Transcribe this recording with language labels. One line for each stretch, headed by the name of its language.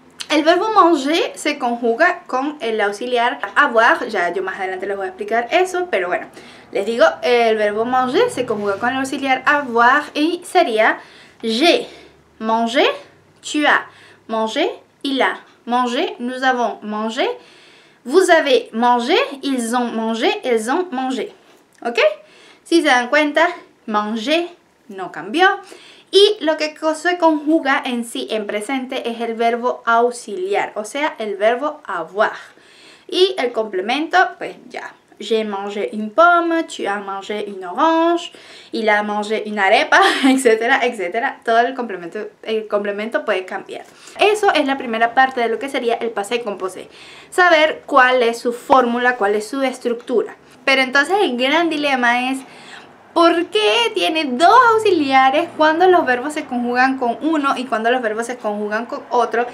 Spanish: El verbo manger se conjuga con el auxiliar avoir, ya yo más adelante les voy a explicar eso, pero bueno, les digo, el verbo manger se conjuga con el auxiliar avoir y sería
French: j'ai mangé, tu as mangé, il a mangé, nous avons mangé, vous avez mangé, ils ont mangé,
Spanish: elles ont mangé. ¿Ok? Si se dan cuenta, manger no cambió. Y lo que se conjuga en sí, en presente, es el verbo auxiliar, o sea, el verbo avoir. Y el complemento, pues ya.
French: J'ai mangé une pomme, tu as mangé une orange, il a mangé une arepa, etcétera, etcétera.
Spanish: Todo el complemento puede cambiar. Eso es la primera parte de lo que sería el passé composé. Saber cuál es su fórmula, cuál es su estructura. Pero entonces el gran dilema es, ¿por qué tiene dos auxiliares cuando los verbos se conjugan con uno y cuando los verbos se conjugan con otro?